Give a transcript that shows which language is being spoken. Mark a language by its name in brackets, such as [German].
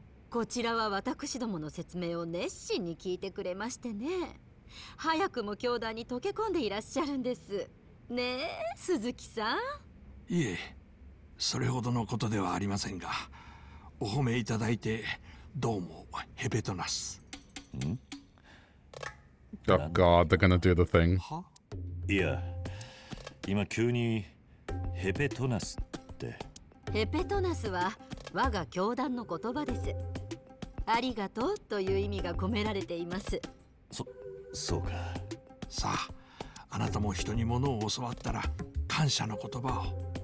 [Japanese] こちらは私どもの説明を熱心に聞いてくれましてね。早くも教団に溶け込んでいらっしゃるんです。ねえ、鈴木さん。いえ、それほどのことではありませんが、お褒めいただいてどうもヘベトナス。 [English] ん ？Oh God, they're gonna do the thing. [Japanese] いや、今急にヘペトナスって。ヘペトナスは我が教団の言葉です。ありがとうという意味が込められています。そうか。さあ、あなたも人に物を教わったら感謝の言葉を。